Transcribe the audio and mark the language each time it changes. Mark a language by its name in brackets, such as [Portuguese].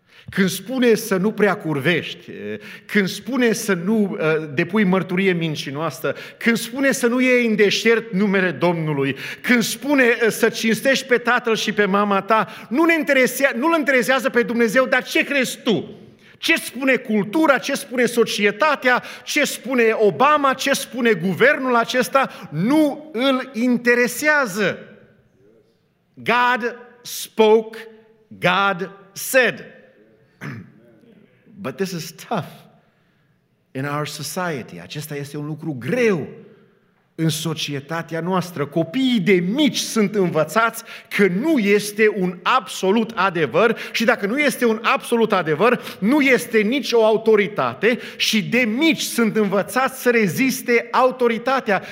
[Romanian] Când spune să nu prea curvești, când spune să nu depui mărturie mincinoasă, când spune să nu iei în deșert numele Domnului, când spune să cinstești pe tatăl și pe mama ta, nu-l interesează pe Dumnezeu, dar ce crezi tu? Ce spune cultura, ce spune societatea, ce spune Obama, ce spune guvernul acesta? Nu îl interesează. [English] God spoke, God said, but this is tough in our society. [Romanian] Acesta este un lucru greu în societatea noastră. Copiii de mici sunt învățați că nu este un absolut adevăr și dacă nu este un absolut adevăr, nu este nici o autoritate și de mici sunt învățați să reziste autoritatea.